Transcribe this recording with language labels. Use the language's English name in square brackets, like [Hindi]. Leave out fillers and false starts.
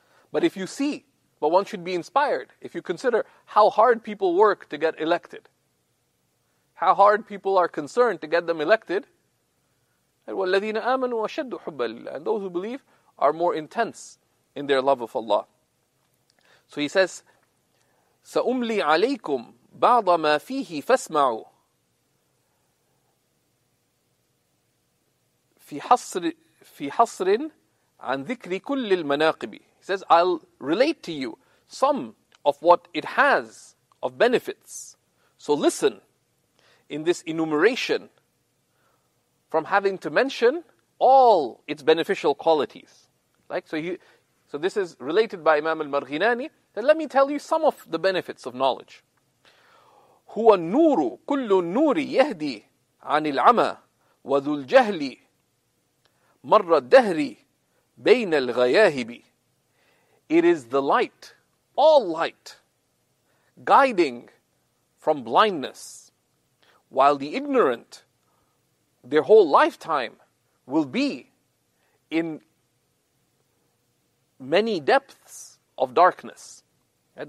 [English] But if you see, but one should be inspired, if you consider how hard people work to get elected, how hard people are concerned to get them elected, [Arabic] وَالَّذِينَ آمَنُوا وَشَدُّوا حُبَّ لِلَّهِ, [English] and those who believe are more intense in their love of Allah. So he says, [Arabic] سَأُمْلِي عَلَيْكُمْ بَعْضَ مَا فِيهِ فَاسْمَعُوا فِي حَصْرٍ عَنْ ذِكْرِ كُلِّ الْمَنَاقِبِ. [English] He says, I'll relate to you some of what it has of benefits. So listen in this enumeration from having to mention all its beneficial qualities. So this is related by Imam al-Marghinani. Then let me tell you some of the benefits of knowledge. [Arabic] هو النور كل النور يهدي عن العمى وذو الجهل مر الدهر بين الغياهب. [English] It is the light, all light, guiding from blindness, while the ignorant, their whole lifetime will be in many depths of darkness. Right?